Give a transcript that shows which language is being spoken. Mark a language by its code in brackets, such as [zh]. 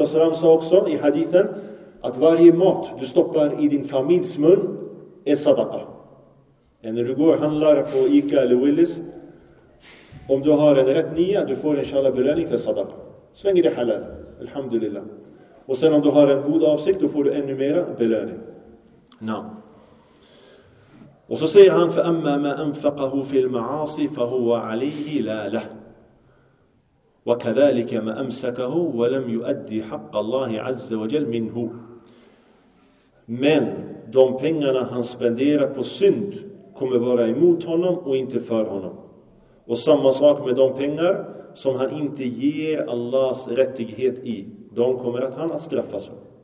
[sv] sa också i hadithen att varje mat du stoppar i din familjs mun är sadaqa. När du går och handlar på Ica eller Willis, om du har en rätt nia, du får inshallah belöning för sadaqa. Så länge det är halal, alhamdulillah. Och sen om du har en god avsikt, då får du ännu mer belöning. No. Och så säger han, [ar] فَأَمَّا مَا أَنْفَقَهُ فِي الْمَعَاصِ فَهُوَ عَلَيْهِ لَا لَهُ وَكَذَلِكَ مَا أَمْسَكَهُ وَلَمْ يُؤَدِّي حَقَّ اللَّهِ عَزَّ وَجَلْ مِنْهُ. [sv] Men de pengarna han spenderar på synd kommer vara emot honom och inte för honom. Och samma sak med de pengar som han inte ger Allahs rättighet i. De kommer att han att straffas för.